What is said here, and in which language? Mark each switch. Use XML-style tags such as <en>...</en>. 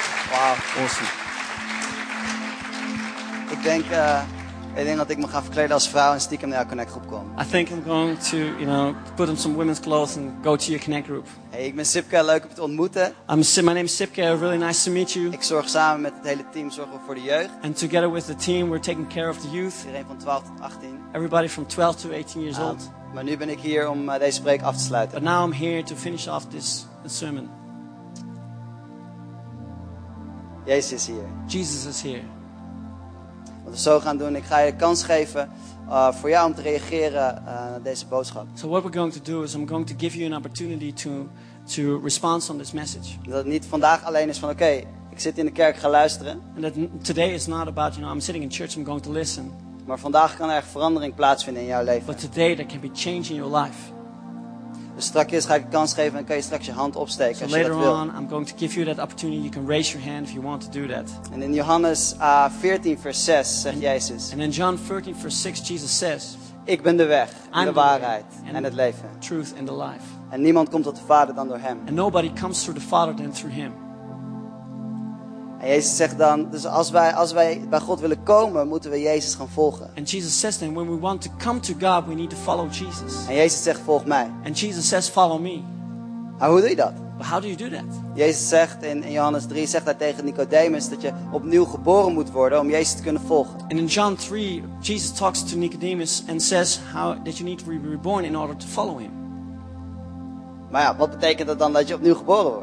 <nl>Wauw, awesome. Ik denk dat ik me ga verkleden als vrouw en stiekem naar jouw Connect groep kom.</nl> <en>I think I'm going to, you know, put on some women's clothes and go to your Connect group.</en> <nl>Hey, ik ben Sipke, leuk om te ontmoeten.</nl> <en>My name is Sipke, really nice to meet you.</en> <nl>Ik zorg samen met het hele team zorgen voor de jeugd.</nl> <en>And together with the team, we're taking care of the youth.</en> <nl>Iedereen van 12 tot 18.</nl> <en>Everybody from 12 to 18 years old.</en> <nl>Maar nu ben ik hier om deze preek af te sluiten.</nl> <en>But now I'm here to finish off this sermon.</en> <nl>Jezus is hier.</nl> <en>Jesus is here.</en> <nl>Wat we zo gaan doen, ik ga je de kans geven voor jou om te reageren naar deze boodschap.</nl> <en>So what we're going to do is I'm going to give you an opportunity to respond on this message.</en> <nl>Dat het niet vandaag alleen is van oké, ik zit in de kerk, ga luisteren.</nl> <en>And that today is not about, you know, I'm sitting in church, I'm going to listen.</en> <nl>Maar vandaag kan er echt verandering plaatsvinden in jouw leven.</nl> <en>But today there can be change in your life.</en> <nl>Dus straks ga ik je kans geven en kan je straks je hand opsteken</nl> <en>so</en> <nl>als je dat wil.</nl> <en>Later on, I'm going to give you that opportunity. You can raise your hand if you want to do that.</en> <nl>En in Johannes 14 vers 6 zegt Jezus.</nl> <en>And in John 14 vers 6, Jesus says,</en> <nl>ik ben de weg, de waarheid en het leven.</nl> <en>Truth and the life.</en> <nl>En niemand komt tot de Vader dan door Hem.</nl> <en>And nobody comes through the Father than through Him.</en> <nl>En Jezus zegt dan, dus als wij bij God willen komen, moeten we Jezus gaan volgen.</nl> <en>And Jesus says then, when we want to come to God, we need to follow Jesus.</en> <nl>En Jezus zegt, volg mij.</nl> <en>And Jesus says, follow me.</en> <nl>Maar hoe doe je dat?</nl> <en>But how do you do that?</en> <nl>Jezus zegt in Johannes 3, zegt hij tegen Nicodemus dat je opnieuw geboren moet worden om Jezus te kunnen volgen.</nl> <en>And in John 3, Jesus talks to Nicodemus and says that you need to be reborn in order to follow Him.</en> <nl>Maar ja, wat betekent dat dan dat je opnieuw geboren wordt?</nl>